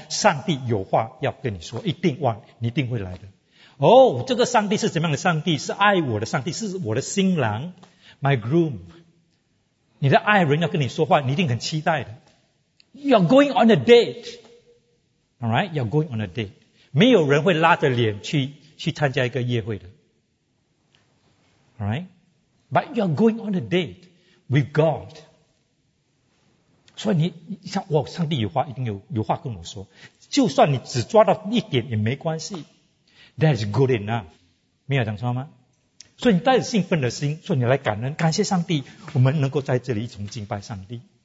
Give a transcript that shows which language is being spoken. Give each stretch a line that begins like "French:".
Chinese: 上帝有话要跟你说，一定哇，你一定会来的。哦，这个上帝是怎么样的上帝？是爱我的上帝，是我的新郎 ，
English: my groom。
Chinese: 你的爱人要跟你说话，你一定很期待的。
English: You're going on a date, all right? You're going on a date.
Chinese: 没有人会拉着脸去参加一个约会的 ，
English: all right? But you're going on a date with God.
Chinese: 所以你像我，上帝有话一定有话跟我说，就算你只抓到一点也没关系。
English: That's good enough.
Chinese: 没有讲错吗？所以你带着兴奋的心，所以你来感恩，感谢上帝，我们能够在这里一同敬拜上帝。